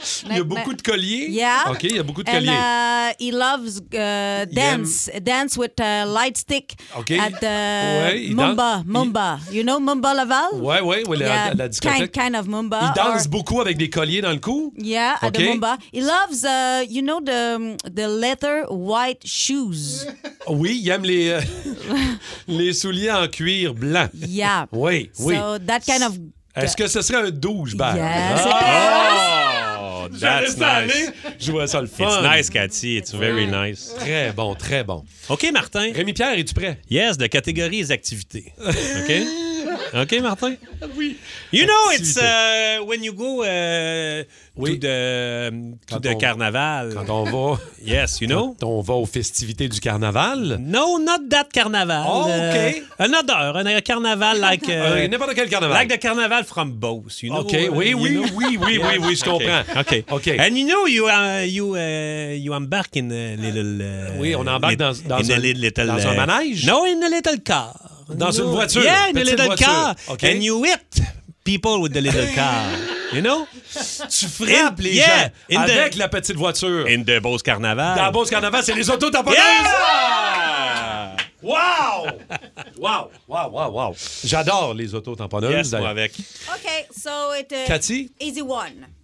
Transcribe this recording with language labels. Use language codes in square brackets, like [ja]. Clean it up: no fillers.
[fr] Il y a beaucoup de colliers. [en] Yeah. [fr] OK, il y a beaucoup de colliers. [en] And he loves dance. Dance with a light stick. OK. At the Mumba. You know Mumba Laval? [fr] Ouais, ouais, ouais, yeah, la discothèque. [en] Kind of Mumba. [fr] Il danse beaucoup avec des colliers dans le cou. [en] Yeah, okay. At the Mumba. He loves, you know, the leather white shoes. [fr] Oui, il aime les, les souliers en cuir blanc. [en] Yeah. [fr] Oui, oui. [en] So that kind of... [fr] Est-ce que ce serait un douchebag? [en] Yes, it is. That's nice. [fr] Je vois ça le fun. [en] It's nice, Cathy. It's very nice. [fr] Très bon, très bon. OK, Martin. Rémi-Pierre, es-tu prêt? Yes, de catégorie les activités. OK? OK, Martin? Oui. [en] You know, it's when you go to the carnaval. [fr] Quand on va... [en] Yes, you [fr] quand [en] know? [fr] Quand on va aux festivités du carnaval. [en] No, not that carnaval. Oh, OK. [fr] Un carnaval like... N'importe quel carnaval. [en] Like the carnaval from Beauce, you know? [fr] OK, oui, je comprends. Okay. OK. [en] And you know, you embark in a little... [fr] oui, on embarque dans un manège? [en] No, in a little car. [fr] Dans une voiture. [en] Yeah, in a little car. Okay. And you hit people with the little car. You know? [fr] Tu frappes les gens avec la petite voiture. [en] In the Beauce Carnaval. [fr] Dans Beauce Carnaval, c'est les autos tamponneuses. Yeah! Wow! Wow! Wow, wow, wow. J'adore les autos tamponneuses. Yes, moi avec. [en] OK, so it's... Cathy? Easy one.